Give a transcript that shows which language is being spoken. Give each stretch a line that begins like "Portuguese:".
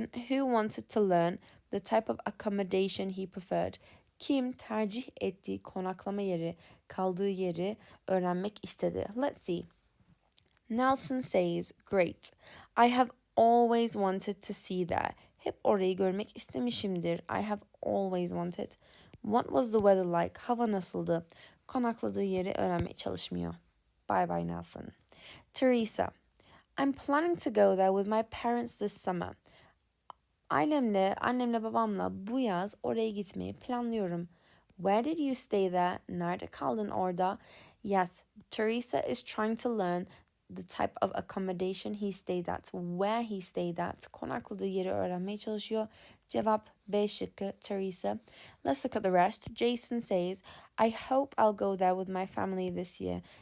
English: Who wanted to learn the type of accommodation he preferred?
Turkish: Kim tercih ettiği konaklama yeri, kaldığı yeri öğrenmek istedi?
English: Let's see. Nelson says, great. I have always wanted to see that.
Turkish: Hep orayı görmek istemişimdir.
English: I have always wanted. What was the weather like?
Turkish: Hava nasıldı? Konakladığı yeri öğrenmeye çalışmıyor.
English: Bye bye
Turkish: Nelson. Teresa.
English: I'm planning to go there with my parents this summer.
Turkish: Ailemle, annemle, babamla bu yaz oraya gitmeyi planlıyorum.
English: Where did you stay there?
Turkish: Nerede kaldın orada?
English: Yes, Teresa is trying to learn the type of accommodation he stayed at, where he stayed at.
Turkish: Konakladığı yeri öğrenmeye çalışıyor. Cevap B şıkkı, Teresa.
English: Let's look at the rest. Jason says, I hope I'll go there with my family this year.